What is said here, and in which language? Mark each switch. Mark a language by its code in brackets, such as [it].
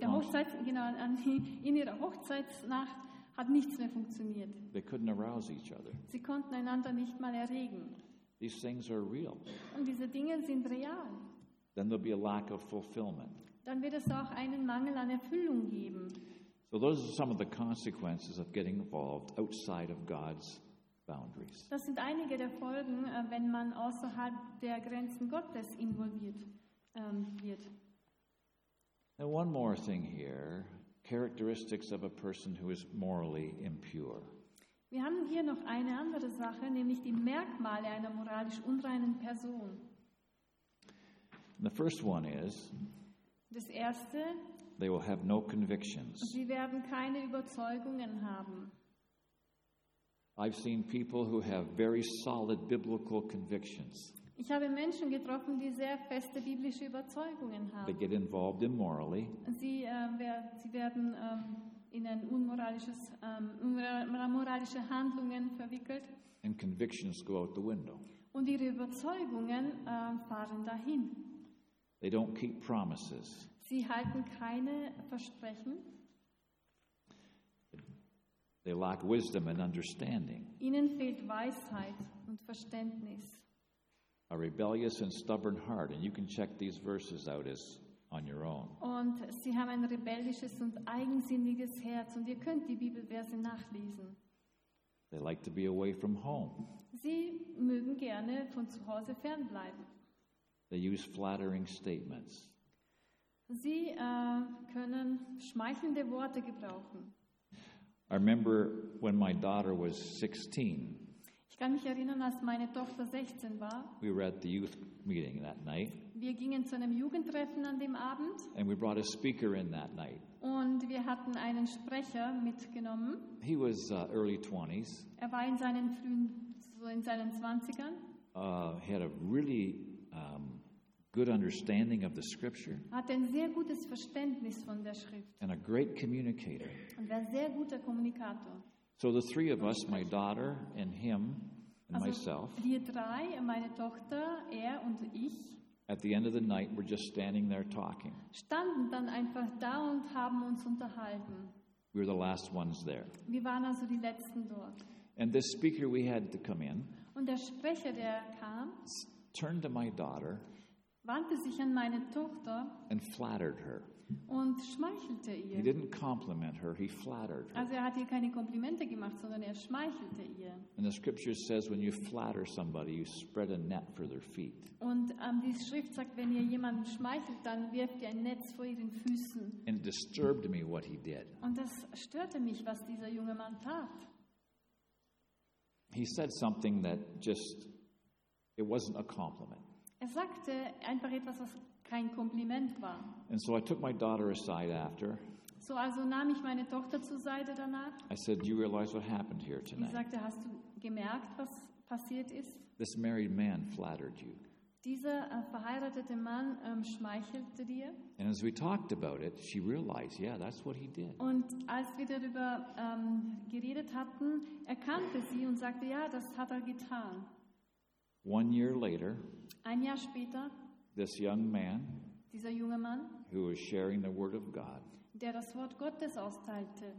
[de] der Hochzeit, genau, in ihrer Hochzeitsnacht hat nichts mehr funktioniert. [en] They couldn't arouse each other. [de] Sie konnten einander nicht mal erregen. [en] These things are real. [de] Und diese Dinge sind real. [en] Then there'll be a lack of fulfillment. [de] dann wird es auch einen Mangel an Erfüllung geben. [en] So those are some of the consequences of getting involved outside of God's boundaries. [de] Das sind einige der Folgen, wenn man außerhalb der Grenzen Gottes involviert wird. [en] Now one more thing here, characteristics of a person who is morally impure. [de] Wir haben hier noch eine andere Sache, nämlich die Merkmale einer moralisch unreinen Person. [en] The first one is, [de] das erste, [en] they will have no convictions. [de] Sie werden keine Überzeugungen haben. [en] I've seen people who have very solid biblical convictions. [de] Ich habe Menschen getroffen, die sehr feste biblische Überzeugungen haben. [en] They get involved immorally. [de] Sie werden in ein unmoralisches, unmoralische Handlungen verwickelt. [en] And convictions go out the window. [de] Und ihre Überzeugungen fahren dahin. [en] They don't keep promises. [de] Sie halten keine Versprechen. [en] They lack wisdom and understanding. [de] Ihnen fehlt Weisheit und Verständnis. [en] A rebellious and stubborn heart, and you can check these verses out as on your own. [de] Und sie haben ein rebellisches und eigensinniges Herz, und ihr könnt die Bibelverse nachlesen. [en] They like to be away from home. [de] Sie mögen gerne von zu Hause fernbleiben. [en] They use flattering statements. [de] Sie können schmeichelnde Worte gebrauchen. [en] I remember when my daughter was 16. [de] Ich kann mich erinnern, als meine Tochter 16 war. [en] We were at the youth meeting that night. [de] Wir gingen zu einem Jugendtreffen an dem Abend. [en] And we brought a speaker in that night. [de] Und wir hatten einen Sprecher mitgenommen. [en] He was early 20s. [de] Er war in seinen frühen, so in seinen 20ern. [en] He had a really good understanding of the scripture. [de] Hat ein sehr gutes Verständnis von der Schrift. [en] And a great communicator. [de] Und war ein sehr guter Kommunikator. [en] So the three of us, my daughter and him and myself, [de] wir drei, meine Tochter, er und ich, [en] at the end of the night, we're just standing there talking. [de] Standen dann einfach da und haben uns unterhalten. [en] We were the last ones there. [de] Wir waren also die letzten dort. [en] And this speaker we had to come in, [de] und der Sprecher, der kam, [en] turned to my daughter, [de] wandte sich an meine Tochter, [en] and flattered her. [de] Und schmeichelte ihr. [en] He didn't compliment her, he flattered her. [de] Also er hat ihr keine Komplimente gemacht, sondern er schmeichelte ihr. [en] And the scripture says when you flatter somebody, you spread a net for their feet. [de] Und die Schrift sagt, wenn ihr jemanden schmeichelt, dann wirft ihr ein Netz vor ihren Füßen. [en] And it disturbed me what he did. [de] Und das störte mich, was dieser junge Mann tat. [en] He said something that just, it wasn't a compliment. [de] Er sagte einfach etwas, was kein Kompliment war. [en] And so I took my daughter aside after. [de] So also nahm ich meine Tochter zur Seite danach. [en] I said, "Do you realize what happened here tonight?" [de] Ich sagte, hast du gemerkt, was passiert ist? [en] This married man flattered you. [de] Dieser verheiratete Mann schmeichelte dir. [en] And as we talked about it, she realized, yeah, that's what he did. [de] Und als wir darüber geredet hatten, erkannte sie und sagte, ja, das hat er getan. [en] One year later. [de] Ein Jahr später. [en] This young man, [de] dieser junge Mann, [en] who was sharing the word of God, [de] der das Wort Gottes austeilte,